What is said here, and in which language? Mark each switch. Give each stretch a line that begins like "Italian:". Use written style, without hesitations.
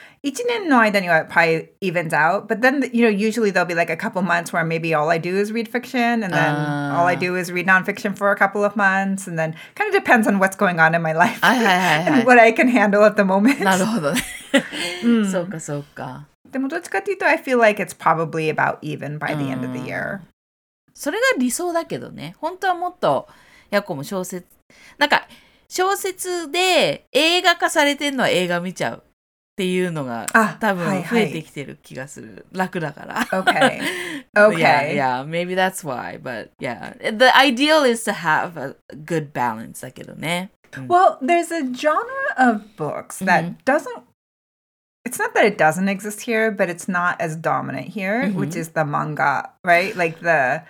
Japanese: 1年の間には
English: probably evens out, but then, you know, usually there'll be like a couple months where maybe all I do is read fiction, and then、all I do is read nonfiction for a couple of months, and then kind of depends on what's going on in my life and what I can handle at the moment.
Japanese: なるほどね。そうかそうか。でもどっちかというと、
English: I feel like it's probably about even by the end of the year.
Japanese: それが理想だけどね。本当はもっと、ヤコも小説、なんか小説で映画化されてるのは映画見ちゃうっていうのが多分増えてきてる気がする。はいはい、楽だから。
English: Okay. Okay. Yeah, yeah, maybe that's why, but yeah. The ideal is to have a good balance
Japanese: だけどね。
English: Well, there's a genre of books that doesn't... It's not that it doesn't exist here, but it's not as dominant here,、mm-hmm. which is the manga, right? Like the...